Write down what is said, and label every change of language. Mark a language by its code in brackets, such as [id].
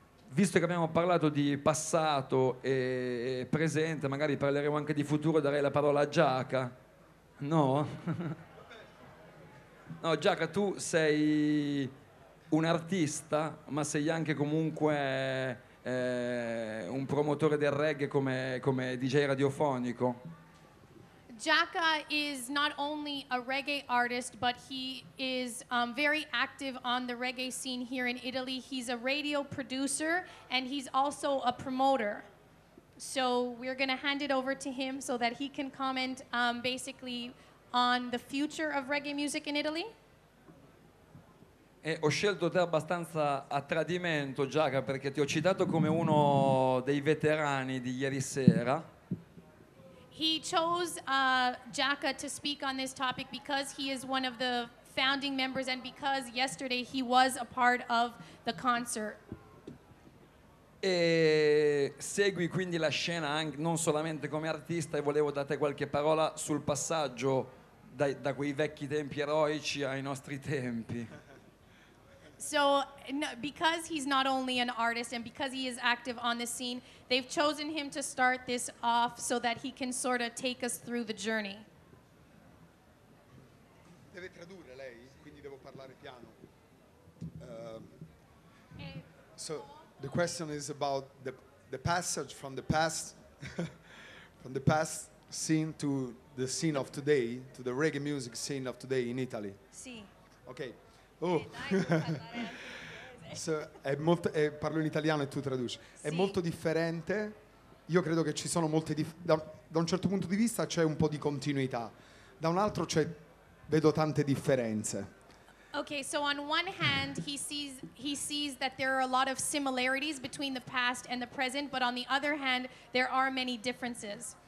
[it] Visto che abbiamo parlato di passato e presente, magari parleremo anche di futuro, darei la parola a Giaca. No? No, Giaca, tu sei un artista, ma sei anche comunque un promotore del reggae come DJ radiofonico. [en] Giaca is not only a reggae artist, but he is very active on the reggae scene here in Italy. He's a radio producer and he's also a promoter. So we're going to hand it over to him so that he can comment basically on the future of reggae music in Italy. [it] E ho scelto te abbastanza a tradimento, Giaca, perché ti ho citato come uno dei veterani di ieri sera. [en] He chose Giaca to speak on this topic because he is one of the founding members and because yesterday he was a part of the concert. [it] E segui quindi la scena anche, non solamente come artista, e volevo dare qualche parola sul passaggio da quei vecchi tempi eroici ai nostri tempi. [en] So, because he's not only an artist and because he is active on the scene, they've chosen him to start this off so that he can sort of take us through the journey. [it] Deve tradurre lei, quindi devo parlare piano. [en] So, the question is about the passage from the past from the past scene to the scene of today, to the reggae music scene of today in Italy. [it] Sì. Okay. Oh, so, è molto, parlo in italiano e tu traduci. Sì. È molto differente. Io credo che ci sono molte da un certo punto di vista c'è un po' di continuità. Da un altro vedo tante differenze. [en] Okay, so on one hand he sees that there are a lot of similarities between the past and the present, but on the other hand there are many differences.